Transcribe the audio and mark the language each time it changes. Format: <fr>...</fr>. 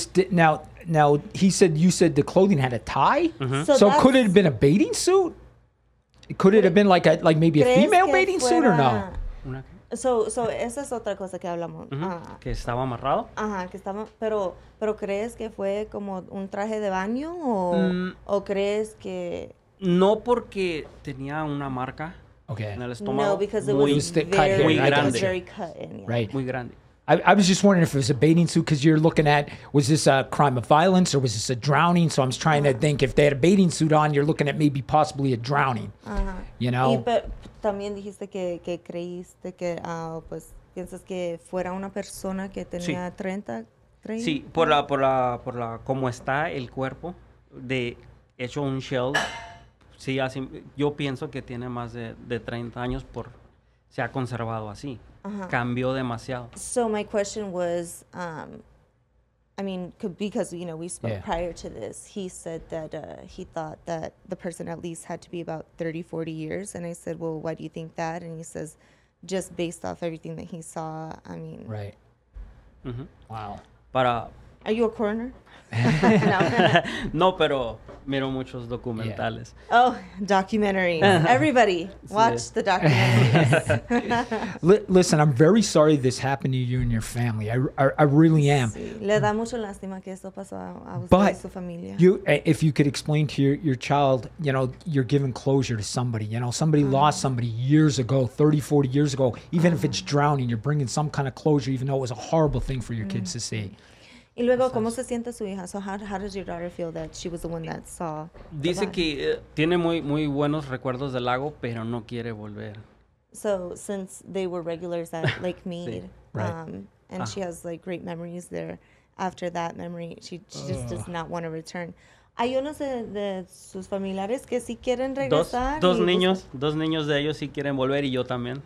<en>Now he said, you said the clothing had a tie? Mm-hmm. So could it have been a bathing suit? Could it have been like maybe a female bathing suit or no?</en> <es>So esa es otra cosa que hablamos. Mm-hmm. Que estaba amarrado. Ajá, que estaba. Pero crees que fue como un traje de baño o crees que no porque tenía una marca</es> <en>okay.</en> <es>en el estómago.</es> <en>No, because it was very cut in.</en> <es>Muy grande.</es> <en>Was very cut in, yeah. Right.</en> <es>Muy grande.</es> <en>I was just wondering if it was a bathing suit because you're looking at, was this a crime of violence or was this a drowning? So I'm just trying uh-huh. to think if they had a bathing suit on, you're looking at maybe possibly a drowning, uh-huh. you know?</en> <es>Y, pero también dijiste que creíste que, pues, piensas que fuera una persona que tenía sí. 30? Sí, por la, como está el cuerpo, de hecho un shell, sí, así, yo pienso que tiene más de 30 años por, se ha conservado así. Uh-huh. Cambió demasiado.</es> <en>So my question was, I mean, because, you know, we spoke yeah. prior to this, he said that he thought that the person at least had to be about 30, 40 years. And I said, well, why do you think that? And he says, just based off everything that he saw, I mean. Right. Mm-hmm. Wow. But, are you a coroner?</en> <es>No, pero miro muchos documentales.</es> <en>Yeah. Oh, documentaries. Everybody, watch the documentaries. Listen, I'm very sorry this happened to you and your family. I really am.</en> <es>Le da mucho lástima que esto pasó a usted y su familia.</es> <en>But if you could explain to your child, you know, you're giving closure to somebody. You know, somebody uh-huh. lost somebody years ago, 30, 40 years ago. Even uh-huh. if it's drowning, you're bringing some kind of closure, even though it was a horrible thing for your uh-huh. kids to see.</en> <es>Y luego, ¿cómo se siente su hija?</es> <en>So how does your daughter feel that she was the one that saw?</en> <es>Dice que tiene muy, muy buenos recuerdos del lago, pero no quiere volver.</es> <en>So since they were regulars at Lake Mead,</en> <es>sí.</es> <en>And ah. she has like great memories there, after that memory, she just does not want to return.</en> <es>¿Hay unos de sus familiares que sí quieren regresar? Dos niños de ellos sí quieren volver y yo también.</es>